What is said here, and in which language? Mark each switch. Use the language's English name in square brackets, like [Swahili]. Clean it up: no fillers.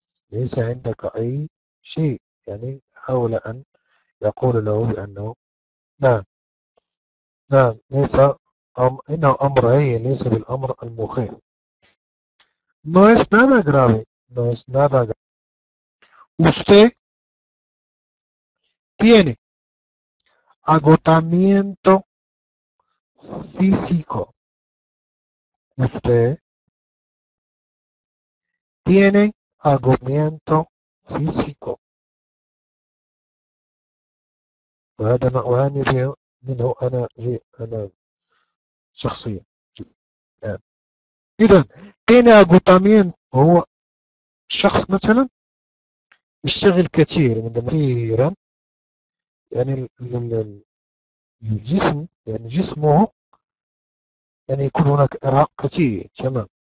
[Arabic] ليس عندك أي شيء. يعني حاول أن يقول له بأنه نعم نعم ليس إنه أمر أي، ليس بالأمر المخيف. [Spanish] No es nada grave. No es nada grave. Usted tiene agotamiento físico. Usted tiene agotamiento físico. [Arabic] وهذا ما أعاني منه أنا شخصيا. إذا [Spanish] tiene agotamiento [Arabic] هو شخص مثلا يشتغل كثير كثيرا يعني الجسم يعني جسمه يعني يكون هناك إرهاق كثير. تمام.